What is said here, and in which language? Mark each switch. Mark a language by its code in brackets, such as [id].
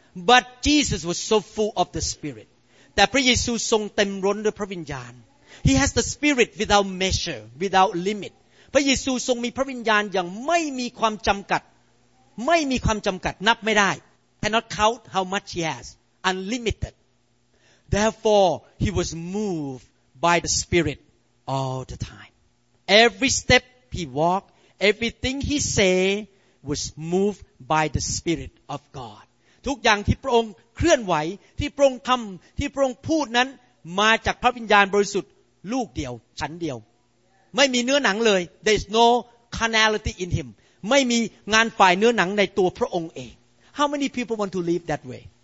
[en] But Jesus was so full of the Spirit [th] แต่พระเยซูทรงเต็มล้นด้วยพระวิญญาณ [en] He has the Spirit without measure without limit [th] พระเยซูทรงมีพระวิญญาณอย่างไม่มีความจำกัดไม่มีความจำกัดนับไม่ได้ [en] Cannot count how much he has unlimited Therefore he was moved by the Spirit all the time every stepHe walked. Everything he said was moved by the Spirit of God. [th] ทุกอย่างที่พระองค์เคลื่อนไหวที่พระองค์ทำที่พระองค์พูดนั้นมาจากพระวิญญาณบริสุทธิ์ลูกเดียวฉันเดียวไม่มีเนื้อหนังเลย [en] There's no carnality in him. [th] ไม่มีงานฝ่ายเนื้อหนังในตัวพระองค์เอง [en] How many people want to live that way?